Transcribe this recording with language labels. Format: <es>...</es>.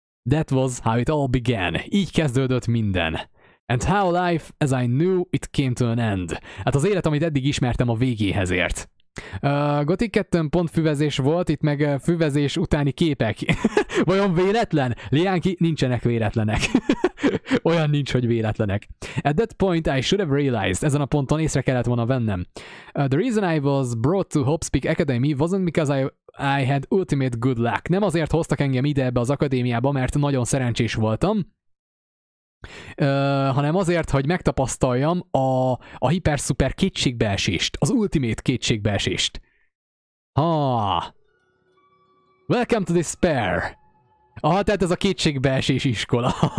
<en>That was how it all began.</en> <hu>Így kezdődött minden.</hu> <en>And how life, as I knew, it came to an end.</en> <hu>Hát az élet, amit eddig ismertem, a végéhez ért. Gothic 2-n pont füvezés volt, itt meg füvezés utáni képek. Vajon véletlen? Liánki, nincsenek véletlenek. Olyan nincs, hogy véletlenek.</hu> <en>At that point I should have realized,</en> <hu>ezen a ponton észre kellett volna vennem.</hu> <en>The reason I was brought to Hope's Peak Academy wasn't because I had ultimate good luck.</en> <hu>Nem azért hoztak engem ide ebbe az akadémiába, mert nagyon szerencsés voltam. Hanem azért, hogy megtapasztaljam a hiper-szuper kétségbeesést, az ultimate kétségbeesést. Ha.</hu> <en>Welcome to despair.</en> <hu>Aha, tehát ez a kétségbeesés iskola.</hu>